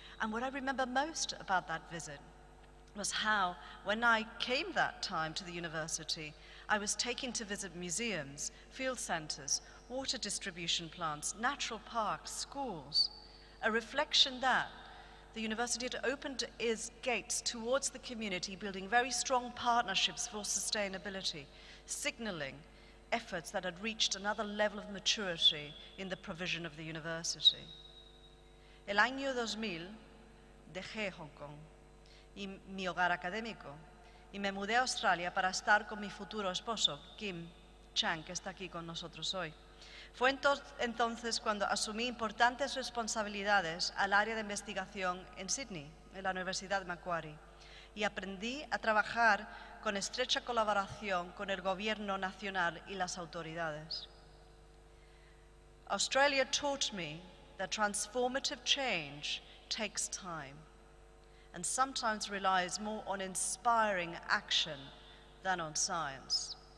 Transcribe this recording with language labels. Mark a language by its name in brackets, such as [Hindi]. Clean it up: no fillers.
[English] And what I remember most about that visit was how, when I came that time to the university, I was taken to visit museums, field centers, water distribution plants, natural parks, schools, a reflection that the university had opened its gates towards the community, building very strong partnerships for sustainability, signaling efforts that had reached another level of maturity in the provision of the university. [Spanish] El año 2000 dejé Hong Kong y mi hogar académico y me mudé a Australia para estar con mi futuro esposo, Kim Chang, que está aquí con nosotros hoy. Fue entonces cuando asumí importantes responsabilidades al área de investigación en Sydney, en la Universidad Macquarie, y aprendí a trabajar con estrecha colaboración con el gobierno nacional y las autoridades. [English] Australia taught me that transformative change takes time and sometimes relies more on inspiring action than on science.